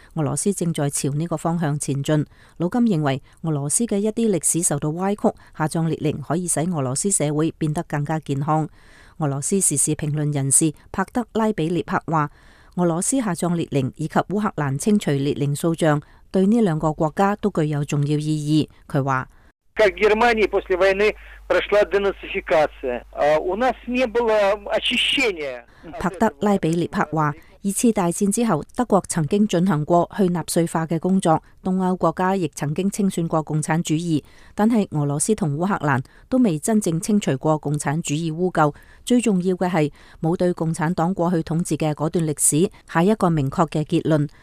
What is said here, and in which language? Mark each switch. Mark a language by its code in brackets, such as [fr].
[zh] 俄罗斯正在朝这个方向前进。鲁金认为，俄罗斯的一些历史受到歪曲，下葬列宁可以使俄罗斯社会变得更加健康。俄罗斯时事评论人士帕德拉比列克说，俄罗斯下葬列宁以及乌克兰清除列宁塑像对这两个国家都具有重要意义。他说， [ru] как Германия после войны прошла денацификация. У нас не было очищения. [zh] 帕德拉比列克说，二次大战之后，德国曾经进行过去纳粹化的工作，东欧国家亦曾经清算过共产主义，但是俄罗斯和乌克兰都未真正清除过共产主义污垢。最重要的是没有对共产党过去统治的那段历史下一个明确的结论。